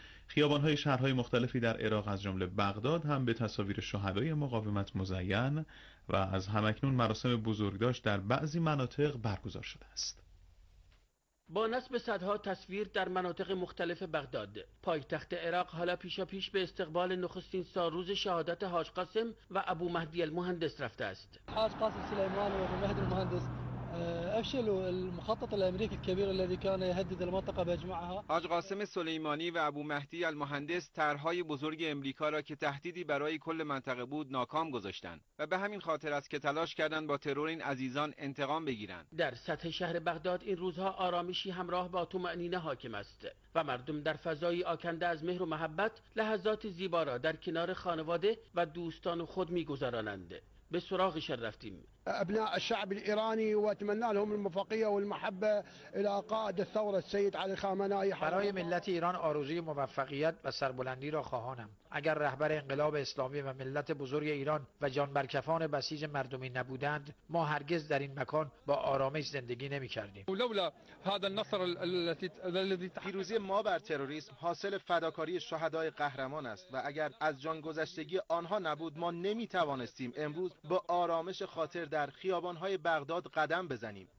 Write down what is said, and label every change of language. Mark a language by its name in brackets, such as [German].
[Persian] خیابان‌های شهرهای مختلفی در عراق از جمله بغداد هم به تصاویر شهدای مقاومت مزین و از همکنون مراسم بزرگداشت در بعضی مناطق برگزار شده است. با نصب صدها تصویر در مناطق مختلف بغداد، پایتخت عراق حالا پیشا پیش به استقبال نخستین سالروز شهادت حاج قاسم و ابو مهدی المهندس رفته است. [Arabic] حاج قاسم سلیمان و ابو مهدی المهندس افشلوا المخطط الامريكي الكبير الذي كان يهدد المنطقه باجمعها. [Persian] حاج قاسم سلیمانی و ابو مهدی المهندس طرحهای بزرگ امریکا را که تهدیدی برای کل منطقه بود ناکام گذاشتند و به همین خاطر است که تلاش کردند با ترور این عزیزان انتقام بگیرند. در سطح شهر بغداد این روزها آرامشی همراه با طمأنینه حاکم است و مردم در فضایی آکنده از مهر و محبت لحظات زیبا را در کنار خانواده و دوستان خود می‌گذرانند. به سراغشان رفتیم. [Arabic] ابناء الشعب الايراني واتمنى لهم الموفقيه والمحبه الى قائد الثوره السيد علي خامنائي. [Persian] برای ملت ایران آرزوی موفقیت و سربلندی را خواهانم. اگر رهبر انقلاب اسلامی و ملت بزرگ ایران و جانبرکفان بسیج مردمی نبودند، ما هرگز در این مکان با آرامش زندگی نمی کردیم. [Arabic] لولا هذا النصر الذي [Persian] پیروزی ما بر تروریسم حاصل فداکاری شهدای قهرمان است و اگر از جان گذشتگی آنها نبود، ما نمی توانستیم امروز با آرامش خاطر در خیابان‌های بغداد قدم بزنیم.